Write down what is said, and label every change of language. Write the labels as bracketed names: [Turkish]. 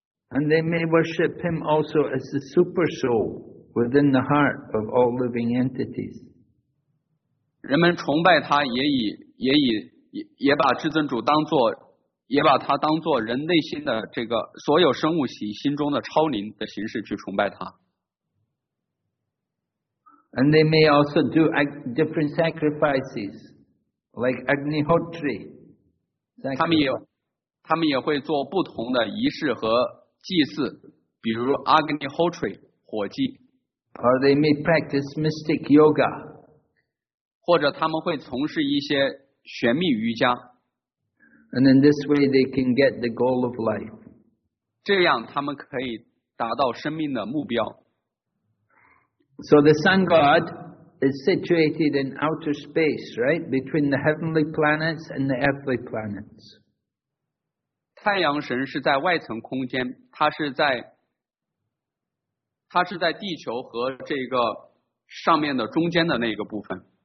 [English] And they may worship him also as the super soul. Within the heart of all living entities. [Chinese] 人们崇拜他也把至尊主当作也把他当作人内心的这个所有生物体心中的超灵的形式去崇拜他。 [English] And they may also do different sacrifices, like Agnihotri. [Chinese] 他们也会做不同的仪式和祭祀，比如 Agnihotri 火祭。 [English] Or they may practice mystic yoga. [Chinese] 或者他们会从事一些玄秘瑜伽。 [English] And in this way they can get the goal of life. [Chinese] 这样他们可以达到生命的目标。 [English] So the sun god is situated in outer space, right? Between the heavenly planets and the earthly planets. [Chinese] 太阳神是在外层空间，它是在地球和这个上面的中间的那个部分。